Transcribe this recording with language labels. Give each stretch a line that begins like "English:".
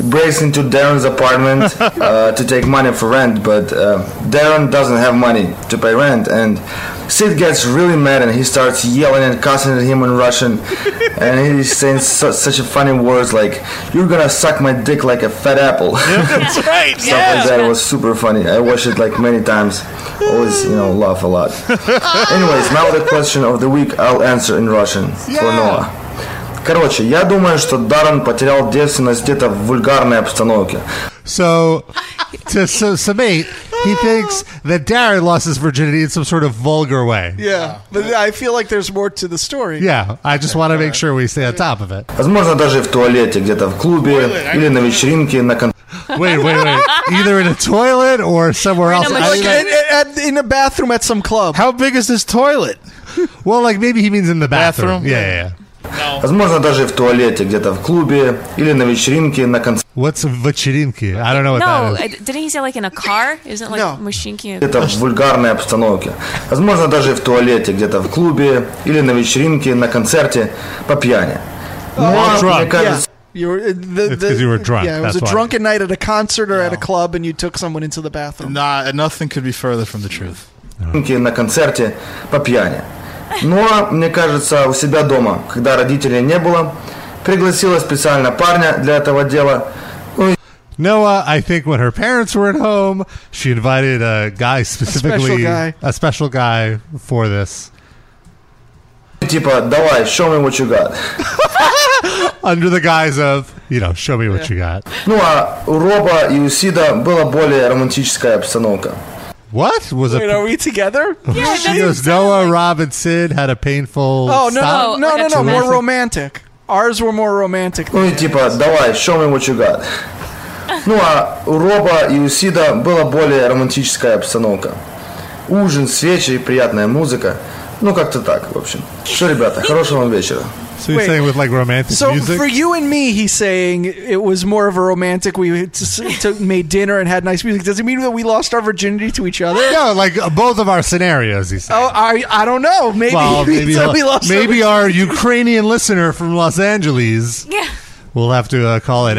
English: Breaks into Darren's apartment to take money for rent, but Darren doesn't have money to pay rent, and Sid gets really mad and he starts yelling and cussing at him in Russian, and he's saying such a funny words like, "You're gonna suck my dick like a fat apple." Yeah, that's right. Stuff like that. It was super funny. I watched it like many times. Always, you know, laugh a lot. Anyways, now the question of the week I'll answer in Russian for Noah.
Russian: Короче, я думаю, что Даррен потерял девственность где-то в вульгарной обстановке.
English: So, to summate, he thinks that Darren lost his virginity in some sort of vulgar way. Yeah, but I feel like there's more to the story. Yeah, I just want to make sure we stay on top of it.
Russian: Возможно, даже в туалете, где-то в клубе, или на вечеринке, на
English: Wait. Either in a toilet or somewhere else. In a bathroom at some club. How big is this toilet? Well, like, maybe he means in the bathroom. Yeah.
Russian: Возможно, даже в туалете, где-то в клубе, или на вечеринке, на концерте.
English: What's a вечеринке? I don't know what that is. No, didn't he say like in a car? Isn't like machinki? No.
Russian: Где-то в вульгарной обстановке. Возможно, даже в туалете, где-то в клубе, или на вечеринке, на концерте, по пьяни.
English: It's because you were drunk. Night at a concert or at a club and you took someone into the bathroom. Nah, nothing could be further from the truth.
Russian: На концерте, по пьяни. Но, мне кажется, у себя дома, когда родителей не было, пригласила специально парня для этого дела.
English: Noah, I think when her parents were at home, she invited a guy specifically, a special guy for this. teapot.
Russian: Давай,
English: show me what you got. Under the guise of, you know, show me what you got.
Russian: Ну, а у Роба и у Сида была более романтическая обстановка.
English: What? Was Wait, a, are we together? Yeah, she was Noah, like, Rob, and Sid had a painful No, more romantic. Ours were more romantic.
Russian: Ну, типа, давай,
English: show me what you got.
Russian: Ну, а у Роба и у Сида была более романтическая обстановка. Ужин, свечи, приятная музыка. Ну, как-то так, в общем. Что, ребята, хорошего вам вечера.
English: So he's saying with, like, romantic music? So for you and me, he's saying it was more of a romantic. We made dinner and had nice music. Does it mean that we lost our virginity to each other? No, like, both of our scenarios, he's saying. Oh, I don't know. Maybe, well, maybe we lost our maybe our Ukrainian listener from Los Angeles will have to call in.